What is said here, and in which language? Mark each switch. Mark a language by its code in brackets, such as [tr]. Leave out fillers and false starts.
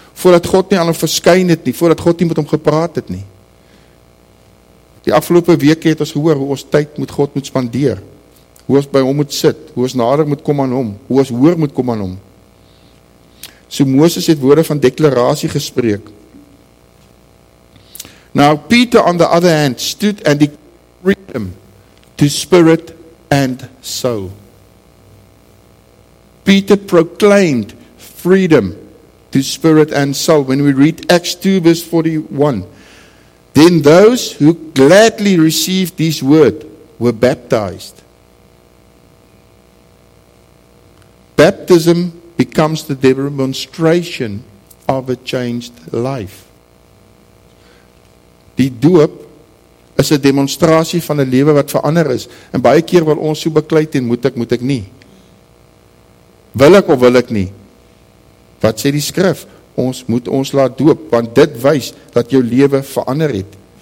[af] Voordat God nie aan hom verskyn het nie, voordat God nie met hom gepraat het nie. Die afgelope week het ons gehoor hoe ons tyd met God moet spandeer. Hoe ons by hom moet sit, hoe ons nader moet kom aan hom, hoe ons hoor moet kom aan hom. So Moses het woorde van deklarasie gespreek. [en] Now Peter on the other hand stood and declared him to spirit and soul. Peter proclaimed freedom to spirit and soul. When we read Acts 2 verse 41, then those who gladly received this word were baptized. Baptism becomes the demonstration of a changed life. [af] Die doop is 'n demonstrasie van 'n lewe wat verander is. En baie keer wil ons so beklei teen moet ek nie. Wil ek of wil ek nie? Wat sê die skrif? Ons moet ons laat doop, want dit wys dat jou lewe verander het.